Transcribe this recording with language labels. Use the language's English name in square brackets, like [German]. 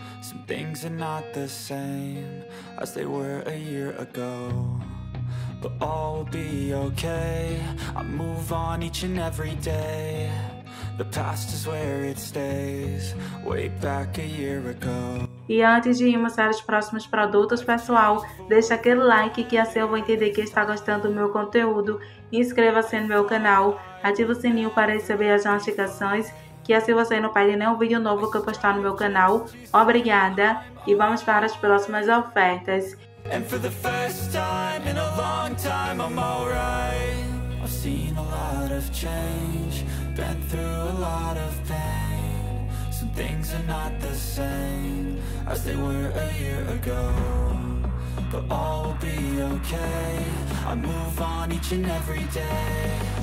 [English] Some things are not the same as they were a year ago, but all will be okay. I move on each and every day. The past is where it stays, way back a year ago. [Portuguese] E antes de irmos para os próximos produtos, pessoal, deixa aquele like que assim eu vou entender que está gostando do meu conteúdo. Inscreva-se no meu canal, ative o sininho para receber as notificações, que assim você não perde nenhum vídeo novo que eu postar no meu canal. Obrigada e vamos para as próximas ofertas. [English] And for the first time in a long time I'm alright. I've seen a lot of change, been through a lot of pain. Some things are not the same as they were a year ago. But all will be okay. I move on each and every day.